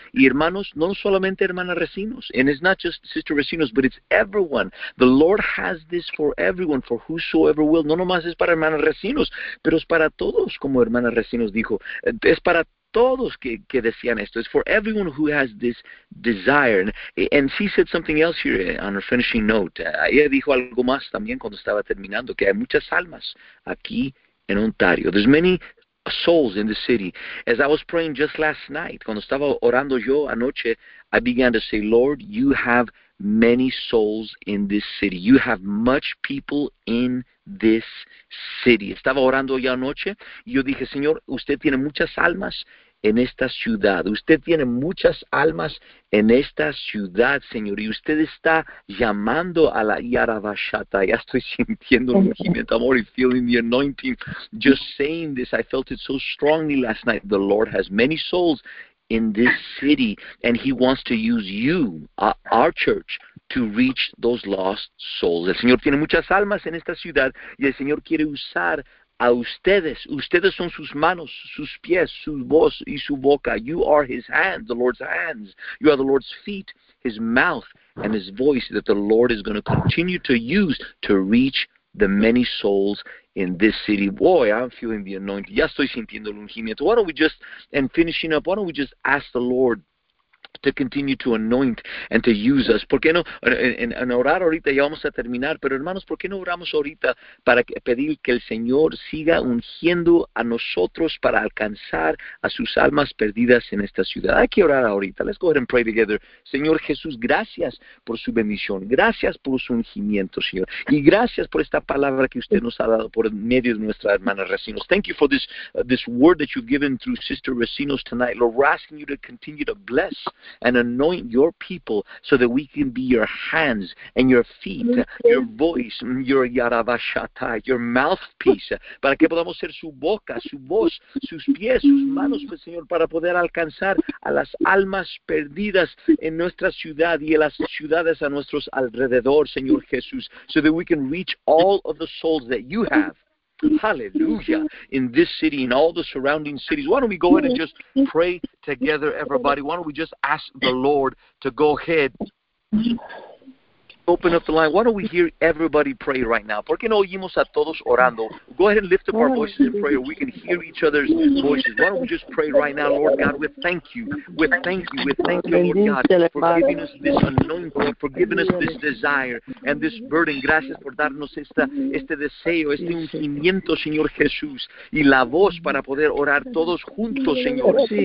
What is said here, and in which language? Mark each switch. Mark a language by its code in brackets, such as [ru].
[es] Y hermanos, no solamente hermana Recinos, [en] and it's not just Sister Recinos, but it's everyone. The Lord has this for everyone, for whosoever will. [es] No nomás es para hermana Recinos, pero es para todos, como hermana Recinos dijo. Es para todos que desean esto. [en] It's for everyone who has this desire. And she said something else here on her finishing note. [es] Ella dijo algo más también cuando estaba terminando, que hay muchas almas aquí en Ontario. [en] There's many souls in the city. As I was praying just last night, [es] cuando estaba orando yo anoche, [en] I began to say, Lord, you have many souls in this city. You have much people in this city. [es] Estaba orando ya anoche y yo dije, Señor, usted tiene muchas almas en esta ciudad. Usted tiene muchas almas en esta ciudad, Señor. Y usted está llamando a la Yarabashata. Ya estoy sintiendo el movimiento. [en] I'm already feeling the anointing. Just saying this, I felt it so strongly last night. The Lord has many souls in this city, and he wants to use you, our church, to reach those lost souls. [es] El Señor tiene muchas almas en esta ciudad, y el Señor quiere usar a ustedes. Ustedes son sus manos, sus pies, su voz y su boca. [en] You are his hands, the Lord's hands. You are the Lord's feet, his mouth, and his voice that the Lord is going to continue to use to reach the many souls in this city. Boy, I'm feeling the anointing. [es] Ya estoy sintiendo el ungimiento. [en] Why don't we just, and finishing up, why don't we just ask the Lord to continue to anoint and to use us? [es] ¿Por qué no? En orar ahorita ya vamos a terminar, pero hermanos, ¿por qué no oramos ahorita para pedir que el Señor siga ungiendo a nosotros para alcanzar a sus almas perdidas en esta ciudad? Hay que orar ahorita. [en] Let's go ahead and pray together. [es] Señor Jesús, gracias por su bendición. Gracias por su ungimiento, Señor. Y gracias por esta palabra que usted nos ha dado por medio de nuestra hermana Recinos. [en] Thank you for this word that you've given through Sister Recinos tonight. Lord, we're asking you to continue to bless and anoint your people so that we can be your hands and your feet, your voice, your yarabashata, your mouthpiece, [es] para que podamos ser su boca, su voz, sus pies, sus manos, pues, Señor, para poder alcanzar a las almas perdidas en nuestra ciudad y en las ciudades a nuestros alrededor, Señor Jesús, [en] so that we can reach all of the souls that you have. Hallelujah, in this city and all the surrounding cities. Why don't we go ahead and just pray together, everybody? Why don't we just ask the Lord to go ahead, open up the line. Why don't we hear everybody pray right now? [es] ¿Por qué no oímos a todos orando? [en] Go ahead and lift up our voices in prayer. We can hear each other's voices. Why don't we just pray right now, Lord God? We thank you. We thank you. We thank you, Lord God, for giving us this anointing, for giving us this desire and this burden. [es] Gracias por darnos este deseo, este ungimiento, Señor Jesús, y la voz para poder orar todos juntos, Señor.